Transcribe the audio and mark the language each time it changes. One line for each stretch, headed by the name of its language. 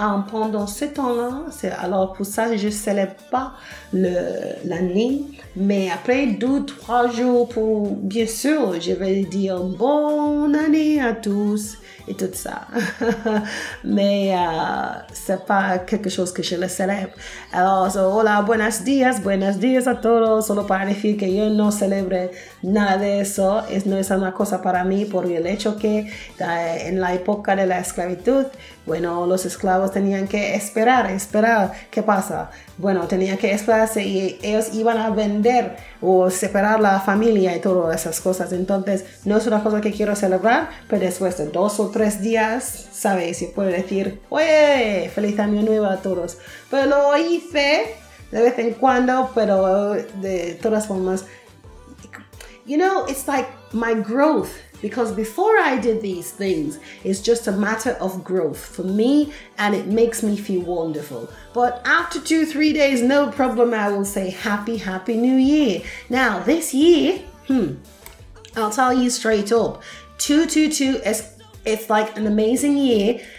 French: pendant ce temps-là, c'est, alors pour ça, je ne célèbre pas l'année, mais après 2-3 jours, pour, bien sûr, je vais dire bonne année à tous et tout ça. Mais ce n'est pas quelque chose que je le célèbre.
Spanish: Alors, so, hola, buenos días a todos. Solo para decir que yo no célèbre nada de eso. Es, no es una cosa para mí por el hecho que en la época de la esclavitud, bueno, los esclavos tenían que esperar. ¿Qué pasa? Bueno, tenían que esperar si ellos iban a vender o separar la familia y todas esas cosas. Entonces, no es una cosa que quiero celebrar, pero después de 2 o 3 días, ¿sabes? Se puede decir, ¡oye! ¡Feliz Año Nuevo a todos! Pero lo hice de vez en cuando, pero de todas formas.
English: You know, it's like my growth. Because before I did these things, it's just a matter of growth for me, and it makes me feel wonderful. But after 2-3 days, no problem, I will say happy, happy new year. Now, this year, I'll tell you straight up, 222, it's like an amazing year.